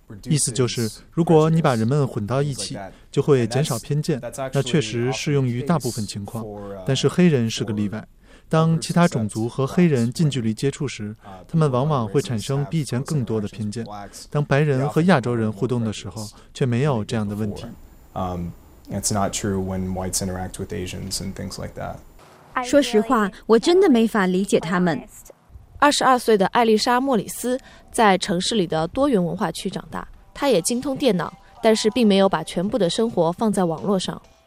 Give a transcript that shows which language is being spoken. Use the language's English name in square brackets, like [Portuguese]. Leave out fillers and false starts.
[Chinese] 意思就是，如果你把人们混到一起，就会减少偏见。那确实适用于大部分情况，但是黑人是个例外。当其他种族和黑人近距离接触时，他们往往会产生比以前更多的偏见。当白人和亚洲人互动的时候，却没有这样的问题。 [English] It's not true when whites interact with Asians and things like that. [Chinese] 说实话，我真的没法理解他们。 22岁的艾丽莎·莫里斯在城市里的多元文化区长大，她也精通电脑，但是并没有把全部的生活放在网络上。